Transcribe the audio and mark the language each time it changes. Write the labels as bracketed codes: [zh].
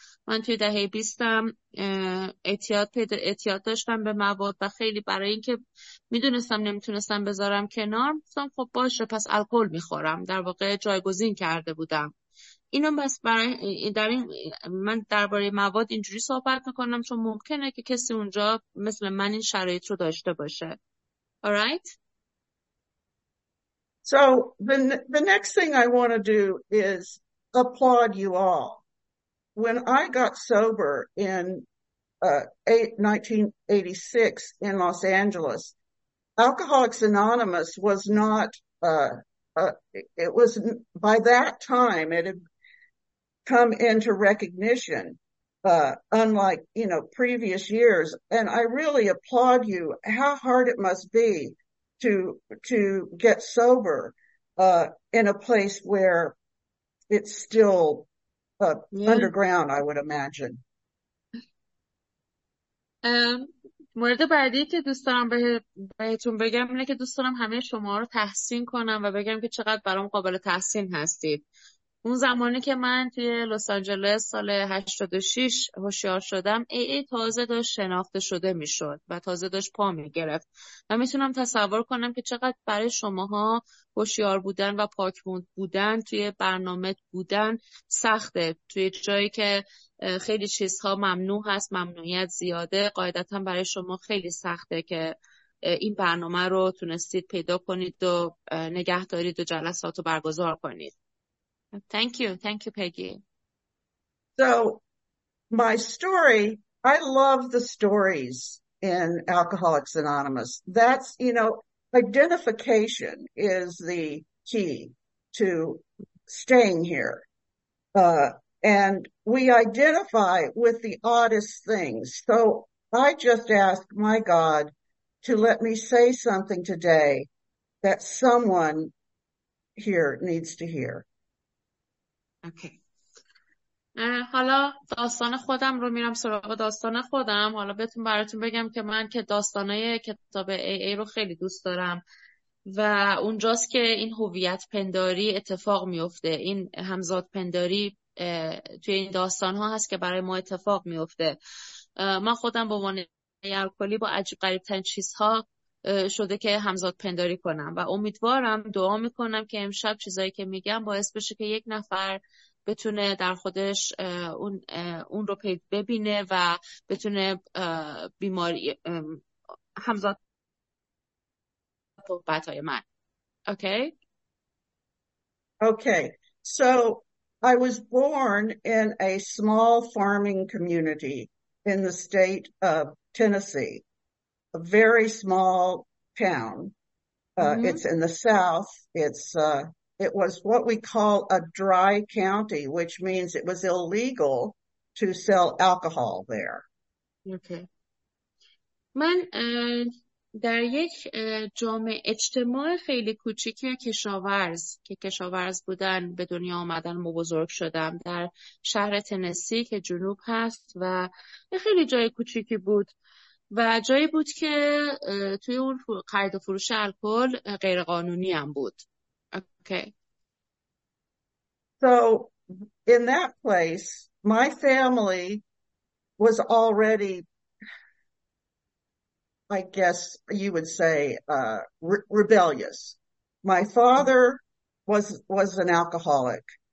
[fa] من توی دهه 20م اعتیاد داشتم به مواد و خیلی برای اینکه میدونستم نمیتونستم بذارم کنار، گفتم خب باشه پس الکل میخورم، در واقع جایگزین کرده بودم. اینو بس برای در این من درباره مواد اینجوری صحبت میکنم چون ممکنه که کسی اونجا مثل من این شرایط رو داشته باشه. [en] Alright. So the next thing I want to do is applaud you all. When I got sober in 1986 in Los Angeles, Alcoholics Anonymous was not, it was by that time it had come into recognition. unlike, previous years. And I really applaud you. How hard it must be to get sober in a place where it's still underground, I would imagine. [fa] مورد بعدی که دوست دارم بهتون بگم اینه که دوست دارم همه شما رو تحسین کنم و بگم که چقدر برام قابل تحسین هستید. اون زمانی که من توی لس آنجلس سال 86 هوشیار شدم، AA تازه داشت شناخته شده میشد و تازه داشت پا می گرفت و میتونم تصور کنم که چقدر برای شماها هوشیار بودن و پاکمون بودن، توی برنامه بودن سخته، توی جایی که خیلی چیزها ممنوع هست، ممنوعیت زیاده، قاعدتا برای شما خیلی سخته که این برنامه رو تونستید پیدا کنید و نگه دارید و جلسات رو برگزار کنید. [en] Thank you, Peggy. So my story, I love the stories in Alcoholics Anonymous. That's, identification is the key to staying here. And we identify with the oddest things. So I just ask my God to let me say something today that someone here needs to hear. [fa] حالا داستان خودم رو میرم سراغ داستان خودم. حالا بهتون براتون بگم که من که داستانای کتاب AA رو خیلی دوست دارم و اونجاست که این هویت پنداری اتفاق میفته، این همزاد پنداری توی این داستان ها هست که برای ما اتفاق میفته. من خودم به عنوان الکلی با عجیب غریب ترین چیزها شده که همزاد پنداری کنم و امیدوارم، دعا میکنم که امشب چیزایی که میگم باعث بشه که یک نفر بتونه در خودش اون رو پیدا ببینه و بتونه بیماری همزاد بطای من. [en] Okay? Okay, so I was born in a small farming community in the state of Tennessee, a very small town. It's in the south. It was what we call a dry county, which means it was illegal to sell alcohol there. Okay. [fa] من در یک جامعه اجتماع خیلی کوچیک کشاورز که کشاورز بودن به دنیا آمدن و بزرگ شدم در شهر تنسی که جنوب هست و خیلی جای کوچیکی بود و جایی بود که توی اون خرید و فروش الکل غیرقانونی هم بود. [en] Okay. So in that place, my family was already, I guess you would say, re rebellious. My father was an alcoholic.